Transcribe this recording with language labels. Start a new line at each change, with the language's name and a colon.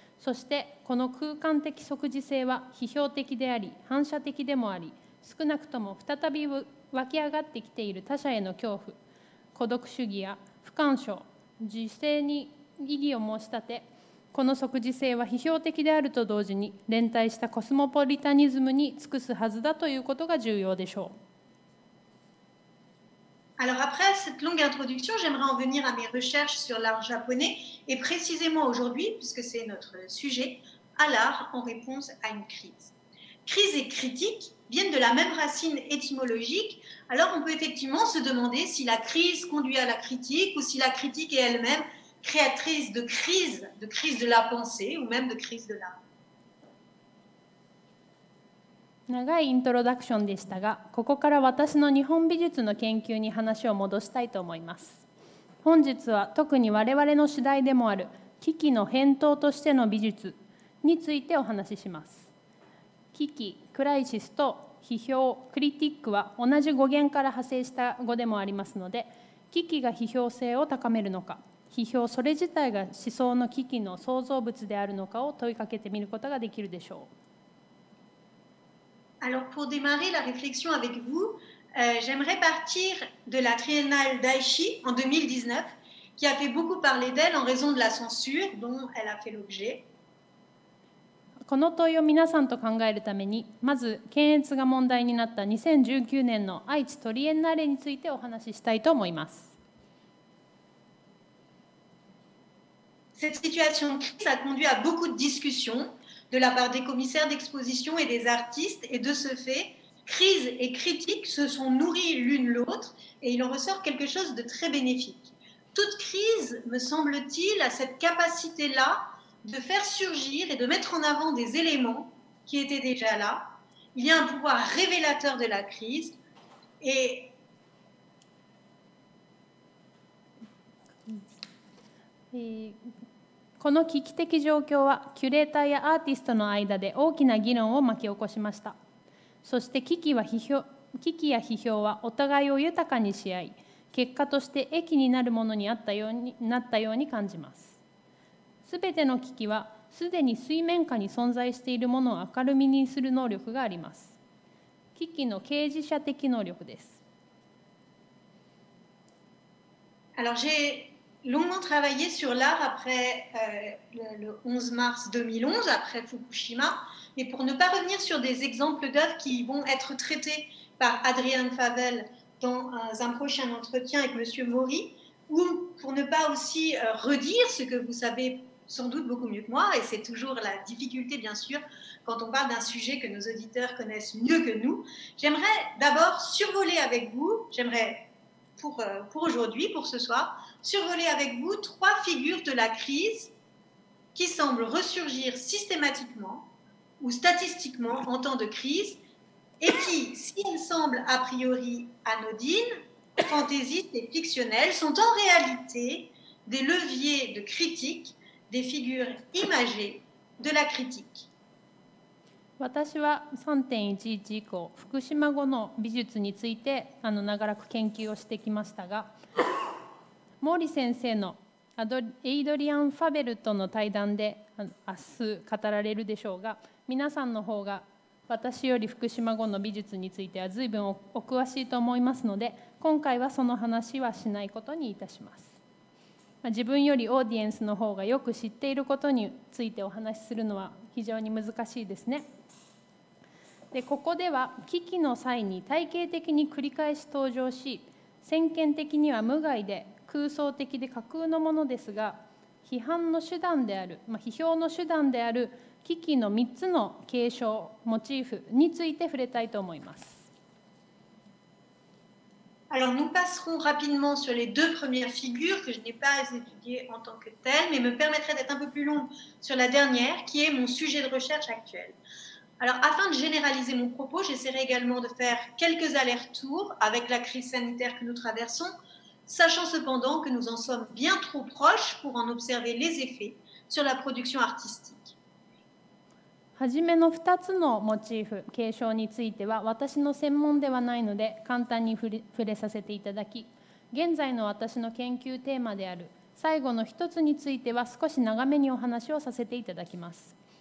Japanese: そして、この空間的即時性は批評的であり、反射的でもあり、少なくとも再び湧き上がってきている他者への恐怖、孤独主義や不干渉、自制に異議を申し立て、この即時性は批評的であると同時に、連帯したコスモポリタニズムに尽くすはずだということが重要でしょう。
French: Alors après cette longue introduction, j'aimerais en venir à mes recherches sur l'art japonais et précisément aujourd'hui, puisque c'est notre sujet, à l'art en réponse à une crise. Crise et critique viennent de la même racine étymologique, alors on peut effectivement se demander si la crise conduit à la critique ou si la critique est elle-même créatrice de crise de la pensée ou même de crise de l'art.
Japanese: 長いイントロダクションでしたが、ここから私の日本美術の研究に話を戻したいと思います。本日は特に我々の主題でもある危機の返答としての美術についてお話しします。危機、クライシスと批評、クリティックは同じ語源から派生した語でもありますので、危機が批評性を高めるのか、批評それ自体が思想の危機の創造物であるのかを問いかけてみることができるでしょう。
French: Alors, pour démarrer la réflexion avec vous, j'aimerais partir de la Triennale d'Aichi en 2019, qui a fait beaucoup parler d'elle en raison de la censure dont elle a fait l'objet.
Japanese: この問いを皆さんと考えるために、まず検閲が問題になった2019年の愛知トリエンナーレについてお話ししたいと思います。
French: Cette situation crise a conduit à beaucoup de discussions. De la part des commissaires d'exposition et des artistes, et de ce fait, crise et critique se sont nourries l'une l'autre, et il en ressort quelque chose de très bénéfique. Toute crise, me semble-t-il, a cette capacité-là de faire surgir et de mettre en avant des éléments qui étaient déjà là. Il y a un pouvoir révélateur de la crise, et.
Japanese: この危機的状況はキュレーターやアーティストの間で大きな議論を巻き起こしました。そして危機や批評はお互いを豊かにし合い、結果として益になるものにあったようになったように感じます。すべての危機はすでに水面下に存在しているものを明るみにする能力があります。危機の啓示者的能力です。
French: Alors, j'ai... longuement travaillé sur l'art après le 11 mars 2011, après Fukushima, mais pour ne pas revenir sur des exemples d'œuvres qui vont être traités par Adrien Favel dans un prochain entretien avec M. Maury, ou pour ne pas aussi redire ce que vous savez sans doute beaucoup mieux que moi, et c'est toujours la difficulté bien sûr quand on parle d'un sujet que nos auditeurs connaissent mieux que nous, j'aimerais d'abord survoler avec vous, j'aimerais... Pour aujourd'hui, pour ce soir, survoler avec vous trois figures de la crise qui semblent ressurgir systématiquement ou statistiquement en temps de crise et qui, s'ils semblent a priori anodines, fantaisistes et fictionnels, sont en réalité des leviers de critique, des figures imagées de la critique.
Japanese: 私は 3.11 以降、福島後の美術について長らく研究をしてきましたが、毛利先生のエイドリアン・ファベルとの対談で明日語られるでしょうが、皆さんの方が私より福島後の美術については随分お詳しいと思いますので、今回はその話はしないことにいたします。自分よりオーディエンスの方がよく知っていることについてお話しするのは非常に難しいですね。でここでは危機の際に体系的に繰り返し登場し、先見的には無害で空想的で架空のものですが、批判の手段である、批評の手段である危機の3つの継承モチーフについて触れたいと思います。
French: Alors, nous passerons rapidement sur les deux premières figures que je n'ai pas étudiées en tant que telle, mais me permettrait d'être un peu plus long sur la dernière, qui est mon sujet de recherche actuel. Alors, afin de généraliser mon propos, j'essaierai également de faire quelques allers-retours avec la crise sanitaire que nous traversons, sachant cependant que nous en sommes bien trop proches pour en observer les effets sur la production artistique.
Japanese: はじめの2つのモチーフ、継承については、私の専門ではないので、簡単に触れさせていただき、現在の私の研究テーマである最後の1つについては、少し長めにお話をさせていただきます。